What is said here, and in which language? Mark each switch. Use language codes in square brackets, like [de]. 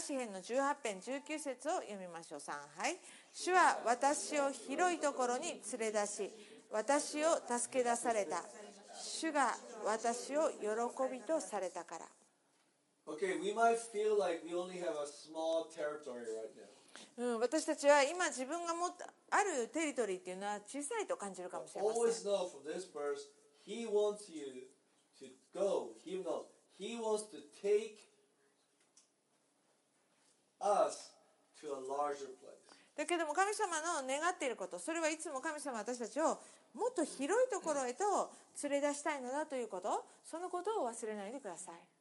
[ja] 詩編の18編19節を読みましょう。3、はい。主は私を広いところに連れ出し、私を助け出された。主が私を喜びとされたから。 [en] Okay, we might feel like we only have a small territory right now. [ja] うん、私たちは今自分が持ったあるテリトリーっていうのは小さいと感じるかもしれません。 [en] Always know from this verse, he wants you to go, he knows, he wants to take us to a larger place. [ja] だけども神様の願っていること、それはいつも神様は私たちをもっと広いところへと連れ出したいのだということ、そのことを忘れないでください。